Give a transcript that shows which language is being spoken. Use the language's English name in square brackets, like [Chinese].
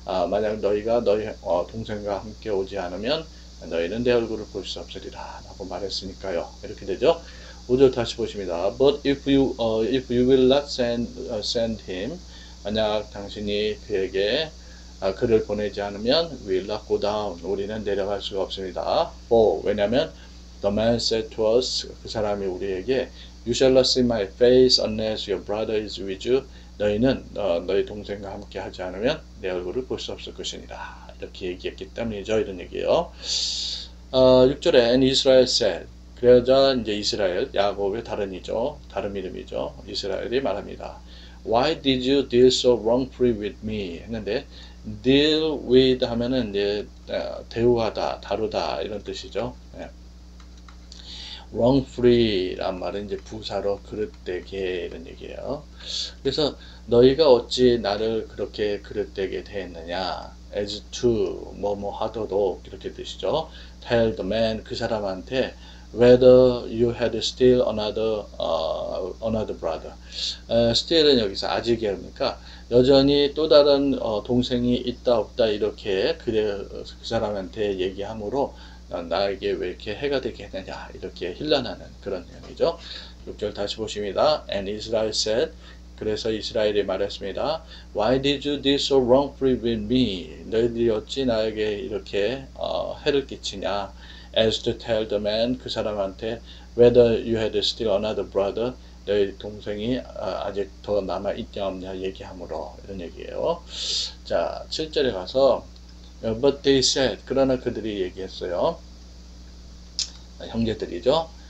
[Korean] 만약 너희가 너희 동생과 함께 오지 않으면 너희는 내 얼굴을 볼수 없으리라라고 말했으니까요. 이렇게 되죠. 5절 다시 보십니다. [English] But if you will not send him, [Korean] 만약 당신이 그에게 그를 보내지 않으면 [English] we will not go down. [Korean] 우리는 내려갈 수가 없습니다. [English] For [Korean] 왜냐면 [English] the man said to us [Korean] 그 사람이 우리에게 [English] you shall not see my face unless your brother is with you. [Korean] 너희는 너희 동생과 함께 하지 않으면 내 얼굴을 볼수 없을 것이니라. 이렇게 얘기했기 때문이죠. 이런 얘기예요. 6절에 [English] and Israel said. [Korean] 그러자 이제 이스라엘, 야곱의 다름이죠. 다른 이름이죠. 이스라엘이 말합니다. [English] Why did you deal so wrongfully with me? [Korean] 했는데 deal with 하면은 이제 대우하다, 다루다 이런 뜻이죠. wrongfully란 말은 이제 부사로 그릇되게 이런 얘기예요. 그래서 너희가 어찌 나를 그렇게 그릇되게 대했느냐? As to 뭐뭐 하더도 이렇게 뜻이죠. [English] Tell the man [Korean] 그 사람한테 [English] whether you had still another brother. [Korean] Still은 여기서 아직이 아니니까 여전히 또 다른 동생이 있다 없다 이렇게 그 사람한테 얘기함으로 나에게 왜 이렇게 해가 되게 했느냐 이렇게 힐난하는 그런 내용이죠. 6절 다시 보십니다. [English] And Israel said, [Korean] 그래서 이스라엘이 말했습니다. [English] Why did you deal so wrongfully with me? [Korean] 너희들이 어찌 나에게 이렇게 해를 끼치냐? [English] As to tell the man, [Korean] 그 사람한테 [English] whether you had still another brother, [Korean] 너희 동생이 아직 더 남아 있냐 없냐 얘기하므로 이런 얘기예요. 자, 7절에 가서 [English] But they said, [Korean] 그러나 그들이 얘기했어요. 형제들이죠.